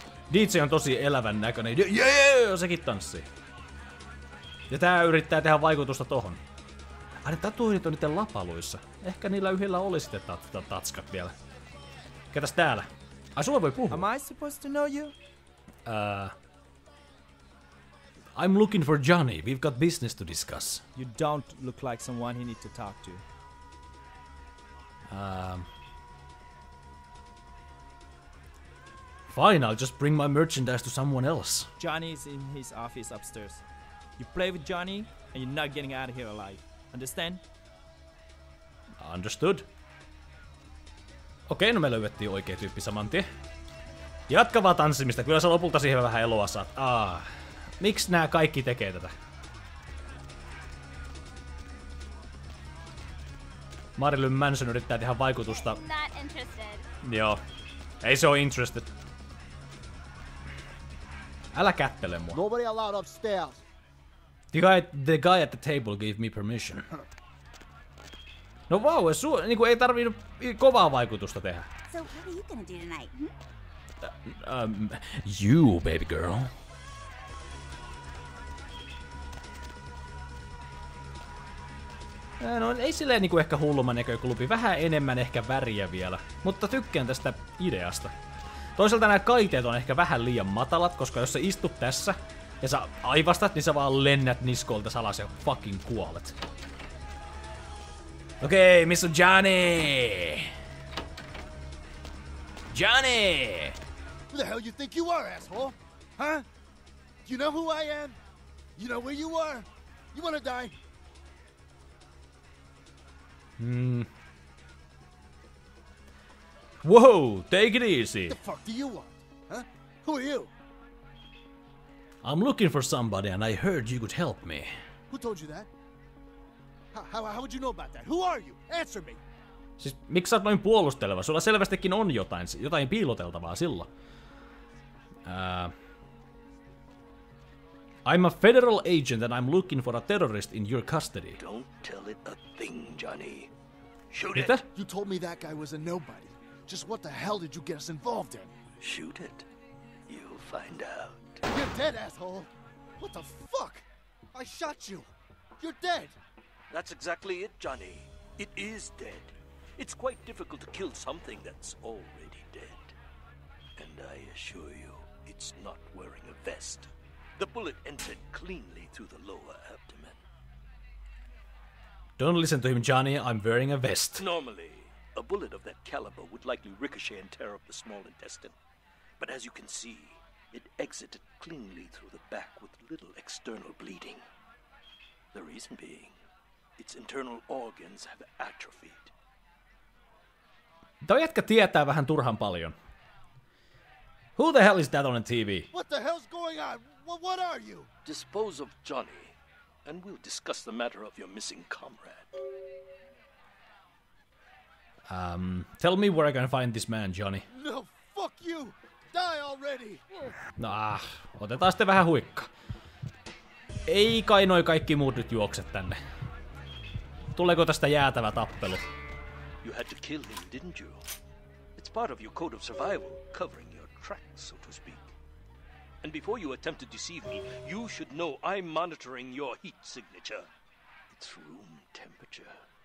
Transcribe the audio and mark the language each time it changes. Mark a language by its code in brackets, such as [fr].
[fi] DJ on tosi elävän näköinen. Yeah, sekin tanssii. Ja tää yrittää tehdä vaikutusta tohon. Aina tatuoinnit on niiden lapaluissa. Ehkä niillä yhdellä oli sitten tatskat vielä. Ketäs täällä? Ai sulle voi puhua. [en] Am I supposed to know you? I'm looking for Johnny. We've got business to discuss. You don't look like someone he need to talk to. Fine, I'll just bring my merchandise to someone else. Johnny's in his office upstairs. You play with Johnny, and you're not getting out of here alive. Understand? Understood. [fi] Okei, no me löydettiin oikea tyyppi saman tien. Jatka vaan tanssimista, kyllä sä lopulta siihen vähän eloa saat. Miksi nää kaikki tekee tätä? Marilyn Manson yrittää tehdä vaikutusta. [en] I'm not interested. [fi] Joo. Ei se oo interested. Älä kättele mua. [en] Nobody allowed upstairs. The guy at the table gave me permission. [fi] No vau, wow, niinku ei tarvinnut kovaa vaikutusta tehdä. [en] So what are you gonna do tonight? You, baby girl. [fi] No ei silleen niinku ehkä hulluman näköinen klubi. Vähän enemmän ehkä väriä vielä. Mutta tykkään tästä ideasta. Toisaalta nämä kaiteet on ehkä vähän liian matalat, koska jos sä istut tässä ja sä aivastat, niin sä vaan lennät niskolta salas ja fucking kuolet. Okei, okay, missä on Johnny? [en] Johnny! Who the hell you think you are, asshole? Huh? You know who I am? You know where you are? You wanna die? Whoa, take it easy. What the fuck do you want? Huh? Who are you? I'm looking for somebody and I heard you could help me. Who told you that? How would you know about that? Who are you? Answer me. [fi] Siis miksi sä oot noin puolusteleva? Sulla selvästikin on jotain piiloteltavaa silloin. [en] I'm a federal agent and I'm looking for a terrorist in your custody. Don't tell it a thing, Johnny. Shoot [fi] Mitä? [en] It. You told me that guy was a nobody. Just what the hell did you get us involved in? Shoot it. You'll find out. You're dead, asshole. What the fuck? I shot you. You're dead. That's exactly it, Johnny. It is dead. It's quite difficult to kill something that's already dead. And I assure you, it's not wearing a vest. The bullet entered cleanly through the lower abdomen. Don't listen to him, Johnny. I'm wearing a vest. Normally, a bullet of that caliber would likely ricochet and tear up the small intestine. But as you can see, it exited cleanly through the back with little external bleeding. The reason being, its internal organs have atrophied. [fi] Toi jätkä tietää vähän turhan paljon. [en] Who the hell is that on the TV? What the hell's going on? What are you? Dispose of Johnny, and we'll discuss the matter of your missing comrade. Tell me where I can find this man, Johnny. No, fuck you! Die already! [fi] Nah, otetaan sitten vähän huikka. Ei kai noi kaikki muut nyt juokse tänne. Tuleeko tästä jäätävä tappelu? [en] You had to kill him, didn't you? It's part of your code of survival, covering your tracks, so to speak. And before you attempt to deceive me, you should know I'm monitoring your heat signature. It's room temperature.